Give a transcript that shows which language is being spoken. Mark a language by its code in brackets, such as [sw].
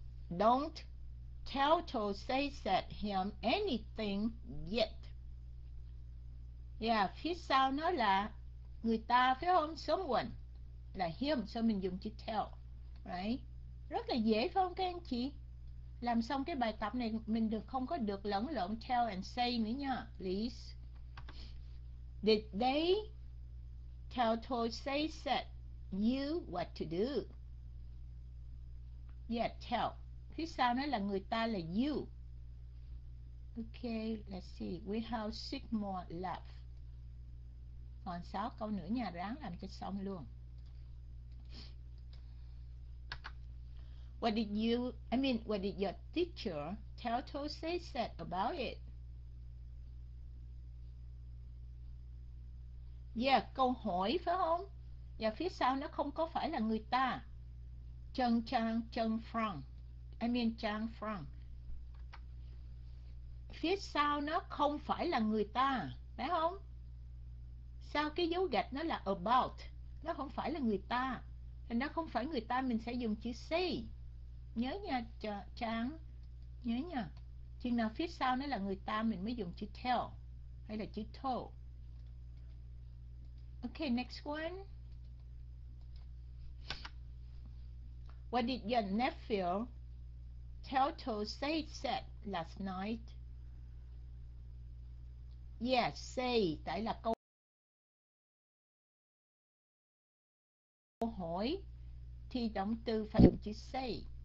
[en] Don't tell to say that him anything yet. [vi] Yeah, phía sau nó là người ta phải không? Someone là him, so mình dùng chữ tell, right? Rất là dễ phải không các anh chị? Làm xong cái bài tập này mình được không có được lẫn lộn tell and say nữa nha, please. [en] Did they tell to say that you what to do? Yeah, tell. [vi] Phía sau nó là người ta là you. [en] Okay, let's see. We have 6 more left. [vi] Còn 6 câu nữa nha, ráng làm cho xong luôn. [en] What did you, I mean, what did your teacher tell to say that about it? [vi] Yeah, câu hỏi phải không? Và phía sau nó không có phải là người ta. Chân chân chân phong. [en] I mean Chang Frank. [vi] Phía sau nó không phải là người ta, phải không? Sao cái dấu gạch nó là about, nó không phải là người ta. Thì nó không phải người ta, mình sẽ dùng chữ say. Nhớ nha Chang. Nhớ nha. Chừng nào phía sau nó là người ta mình mới dùng chữ tell hay là chữ told. [en] Okay, next one. What did your nephew tell to say that last night? Yes, say. [vi] Tại là câu hỏi thì động từ phải dùng chữ say.